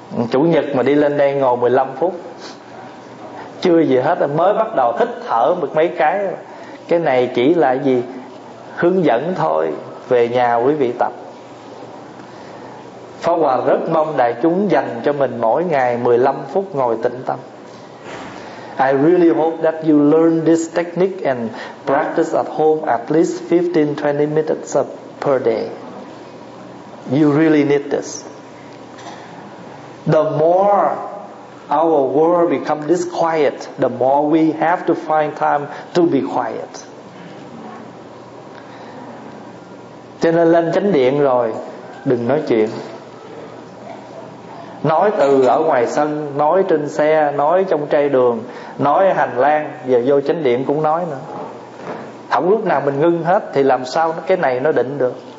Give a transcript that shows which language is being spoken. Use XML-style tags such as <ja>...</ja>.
<vi>Chủ nhật mà đi lên đây ngồi 15 phút chưa gì hết, mới bắt đầu hít thở được mấy cái. Cái này chỉ là gì, hướng dẫn thôi. Về nhà quý vị tập. Pháp Hòa rất mong đại chúng dành cho mình mỗi ngày 15 phút ngồi tĩnh tâm.</vi> <en>I really hope that you learn this technique and practice at home at least 15-20 minutes per day. You really need this. The more our world become disquiet, the more we have to find time to be quiet.</en> <vi>Cho nên lên chánh điện rồi đừng nói chuyện. Nói từ ở ngoài sân, nói trên xe, nói trong trai đường, nói hành lang, giờ vô chánh điện cũng nói nữa. Không lúc nào mình ngưng hết thì làm sao cái này nó định được.</vi>